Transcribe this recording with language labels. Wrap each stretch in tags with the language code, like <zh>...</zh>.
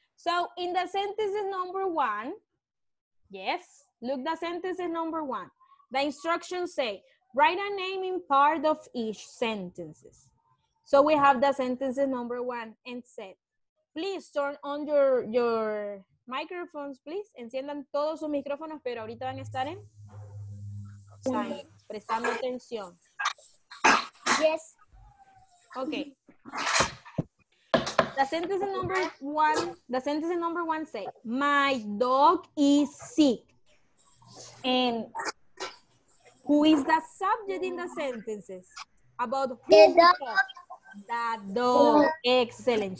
<en>So in the sentences number 1, yes, look the sentences number 1. The instructions say, write a name in part of each sentences. So we have the sentences number 1 and set. Please turn on your microphones, please.</en> <es>Enciendan todos sus micrófonos, pero ahorita van a estar en silence, prestando atención.</es> <en>Yes. Okay. The sentence number 1, the sentence number 1 say, my dog is sick. And who is the subject in the sentences? About who? The dog. Excellent.</en>